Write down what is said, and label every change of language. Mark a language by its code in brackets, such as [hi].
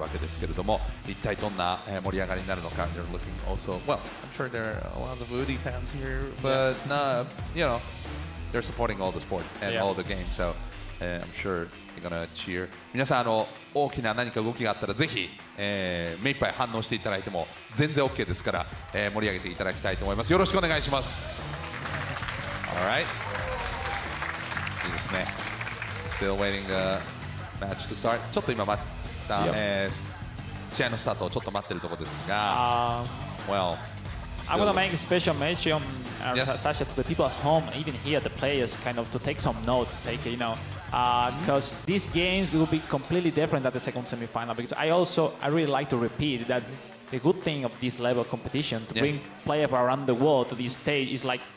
[ja] 皆さんね、この後ね、まあ日本も出てくるわけですけれども、一体どんな盛り上がりになるのか。 [en] You're looking also, well, I'm sure there are lots of UDI fans here, but you know, they're supporting all the sport and all the games, so I'm sure you're gonna cheer. [ja] 皆さん、あの大きな何か動きがあったら、ぜひ目いっぱい反応していただいても全然 OK ですから、盛り上げていただきたいと思います。よろしくお願いします。 [en] All right. [ja] いいですね。 [en] Still waiting. Match to start. [ja] ちょっと今待った試合のスタートをちょっと待ってるところですが。 [en] Well, I'm gonna make a special mention, Sasha, to the people at home, even here, the players, kind of to take some note, to take it, you know, because these games will be completely different at the second semifinal. Because I really like to repeat that the good thing of this level of competition to bring players around the world to this stage is like.